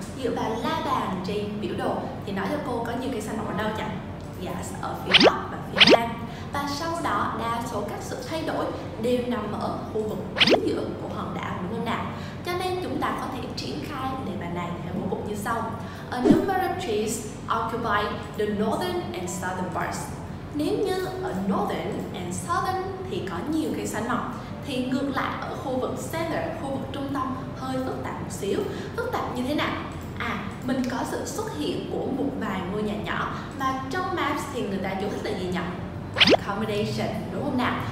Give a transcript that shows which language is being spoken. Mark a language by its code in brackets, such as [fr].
[vi] Dựa vào la bàn trên biểu đồ thì nói cho cô có nhiều cây xanh mọc ở đâu chẳng? Yes, ở phía bắc và phía nam. Và sau đó đa số các sự thay đổi đều nằm ở khu vực phía giữa của hòn đảo, đúng không nào? Cho nên chúng ta có thể triển khai đề bài này theo một bộ như sau. [en] A number of trees occupy the northern and southern parts. [vi] Nếu như ở [en] northern and southern [vi] thì có nhiều cây xanh mọc, thì ngược lại ở khu vực center, khu vực trung tâm hơi phức tạp một xíu. Phức tạp như thế nào? À, mình có sự xuất hiện của một vài ngôi nhà nhỏ. Và trong maps thì người ta chú thích là gì nhỉ? Accommodation, đúng không nào?